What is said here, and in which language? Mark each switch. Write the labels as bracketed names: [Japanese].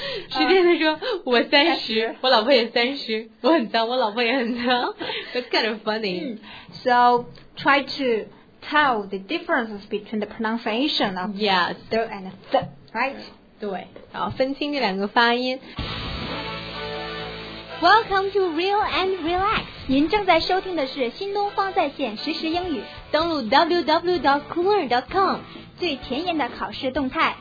[Chinese] 实际上说我30，我老婆也30，我很脏，我老婆也很脏。 [English] That's kind of funny. So try to tell the differences between the pronunciation of yes, the and the, right? [Chinese] 对，然后分清这两个发音。 [English] Welcome to Real and Relax. [Chinese] 您正在收听的是新东方在线实时英语。登录 www.coolearn.com，最前沿的考试动态，